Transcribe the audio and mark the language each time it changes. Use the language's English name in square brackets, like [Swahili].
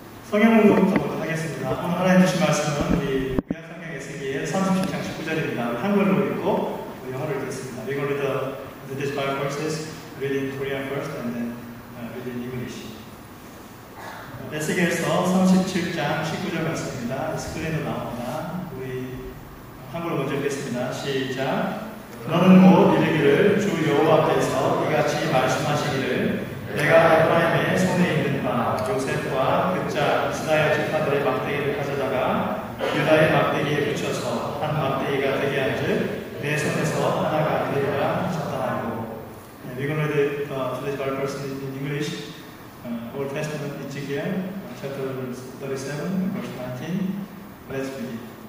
[Korean] 성경으로부터 보도하겠습니다. 오늘 하나님 주신 말씀은 우리 구약성경 에스겔 37장 19절입니다. 한글로 읽고 영어로 읽겠습니다. [English] We're going to read these five verses, read in Korean first and then read in English. [Korean] 에스겔서 37장 19절 말씀입니다. 스크린으로 나옵니다. 우리 한글로 먼저 읽겠습니다. 시작! 너는 곧 이르기를 주 여호와께서 이같이 말씀하시기를 내가 하나님의 손에 있는 바 요셉과 그자 이스라엘 지파들의 막대기를 가져다가 유다의 막대기에 붙여서 한 막대기가 되게 한즉 내 손에서 하나가 되리라 하셨다 하고 [English] We're going to read today's Bible verse in English Old Testament Ezekiel chapter 37 verse 19 Let's begin